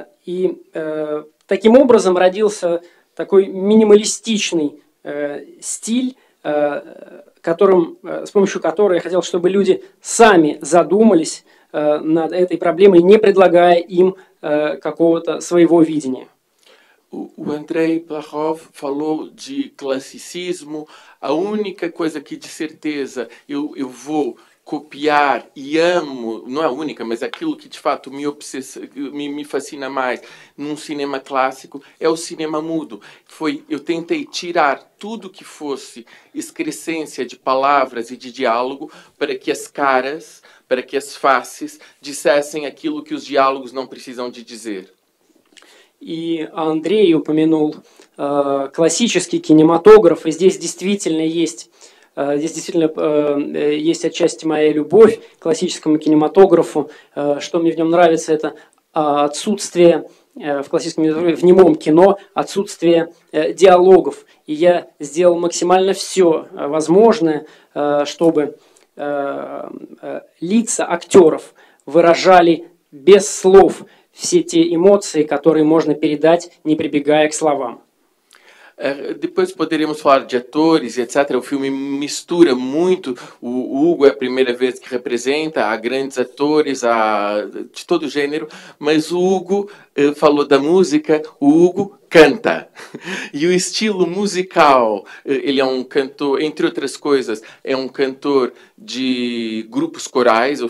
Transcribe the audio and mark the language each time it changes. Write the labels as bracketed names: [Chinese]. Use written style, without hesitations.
[Russian] И таким образом родился такой минималистичный стиль, с помощью которого я хотел, чтобы люди сами задумались над этой проблемой, не предлагая им какого-то своего видения. [Portuguese] O Andrei Plakhov falou de classicismo. A única coisa que, de certeza, eu vou copiar e amo, não é a única, mas aquilo que, de fato, me fascina mais num cinema clássico, é o cinema mudo. Eu tentei tirar tudo que fosse excrescência de palavras e de diálogo para que as caras, para que as faces, dissessem aquilo que os diálogos não precisam de dizer. [Russian] И Андрей упомянул классический кинематограф, и здесь действительно есть... Здесь действительно есть отчасти моя любовь к классическому кинематографу. Что мне в нем нравится, это отсутствие в классическом кинематографе, в немом кино, отсутствие диалогов. И я сделал максимально все возможное, чтобы лица актеров выражали без слов все те эмоции, которые можно передать, не прибегая к словам. [Portuguese] Depois poderíamos falar de atores, etc. O filme mistura muito. O Hugo é a primeira vez que representa a grandes atores a... de todo gênero. Mas o Hugo falou da música. O Hugo canta. E o estilo musical, ele é um cantor, entre outras coisas, é um cantor de grupos corais.